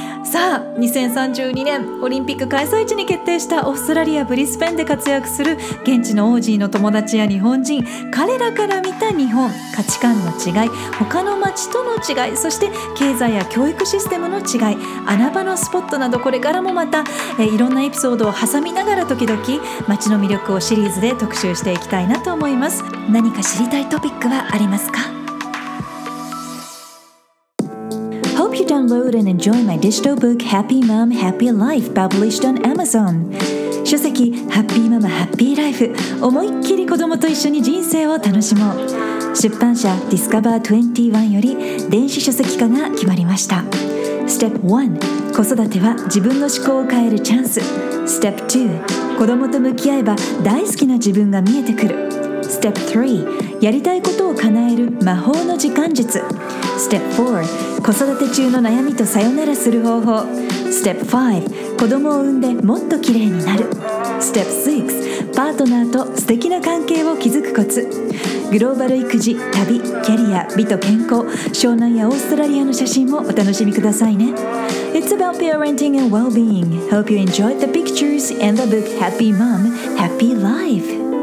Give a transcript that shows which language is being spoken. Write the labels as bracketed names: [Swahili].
[Japanese] さあ、2032年オリンピック開催地に決定したオーストラリアブリスベンで活躍する現地のオージーの友達や日本人、彼らから見た日本、価値観の違い、他の街との違い、そして経済や教育システムの違い、穴場のスポットなど、これからもまたいろんなエピソードを挟みながら時々街の魅力をシリーズで特集していきたいなと思います。何か知りたいトピックはありますか？ [English] Download and enjoy my digital book Happy Mom, Happy Life published on Amazon. [Japanese] 書籍 Happy Mom, Happy Life 思いっきり子供と一緒に人生を楽しもう。出版社 Discover21 より電子書籍化が決まりました。 Step 1、 子育ては自分の思考を変えるチャンス。 Step 2、 子供と向き合えば大好きな自分が見えてくる。 Step 3、 やりたいことを叶える魔法の時間術。 Step 4、 子育て中の悩みとさよならする方法。 Step 5、 子供を産んでもっと綺麗になる。Step 6、 パートナーと素敵な関係を築くコツ。グローバル育児、旅、キャリア、美と健康、湘南やオーストラリアの写真もお楽しみくださいね。 [English] It's about parenting and well-being. Hope you enjoyed the pictures and the book Happy Mom, Happy Life.